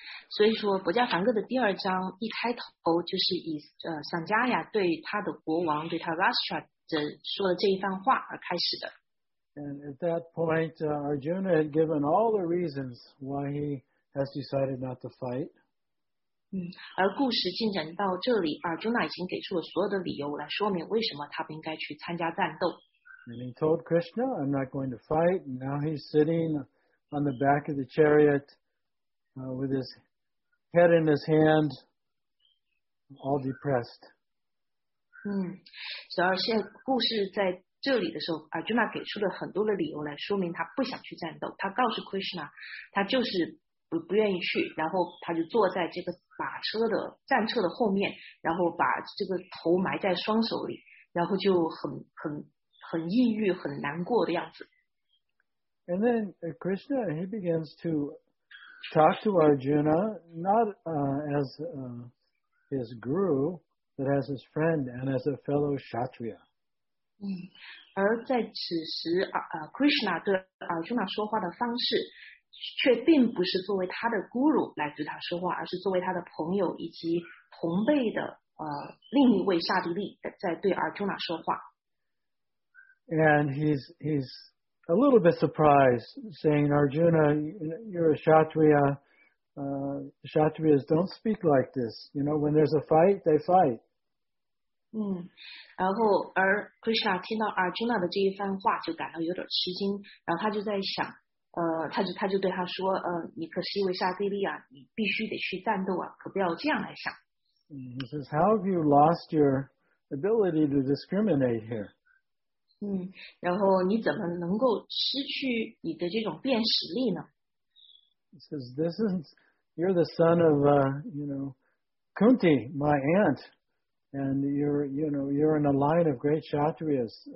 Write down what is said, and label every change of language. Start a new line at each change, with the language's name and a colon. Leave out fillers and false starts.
Chinese: 所以说博加凡戈的第二章一开头就是以Sanjaya对他的国王对他 Rashtra 说的这一番话而开始的。
English: And at that point, Arjuna had given all the reasons why he has decided not to fight.
Chinese: 而故事进展到这里，阿尔朱纳已经给出了所有的理由来说明为什么他不应该去参加战斗。
English: And he told Krishna, I'm not going to fight. And now he's sitting on the back of the chariot, with his head in his hand, all depressed.
Chinese: 所以现在故事在这里的时候，阿尔朱纳给出了很多的理由来说明他不想去战斗。他告诉 Krishna, 他就是不愿意去，然后他就坐在这个马车的战车的后面，然后把这个头埋在双手里，然后就很抑郁、很难过的样子。
English: And then Krishna, he begins to talk to Arjuna, not as his guru, but as his friend and as a fellow Kshatriya.
Chinese: 而在此时 Krishna 对 Arjuna 说话的方式却并不是作为他的 guru 来对他说话，而是作为他的朋友以及同辈的另一位刹帝利在对 Arjuna 说话。
English: And he's a little bit surprised, saying, Arjuna, you're a Kshatriya. Kshatriyas don't speak like this. You know, when there's a fight, they fight.
Chinese: 然后而 Krishna 听到 Arjuna 的这一番话就感到有点吃惊，然后他就在想，他就对他说，你可是一位刹帝利啊，你必须得去战斗啊，可不要这样来想。
English: He says, how have you lost your ability to discriminate here?
Chinese: 然后你怎么能够失去你的这种辨识力呢？
English: He says, this is, you're the son of, you know, Kunti, my aunt, and you're in a line of great Kshatriyas.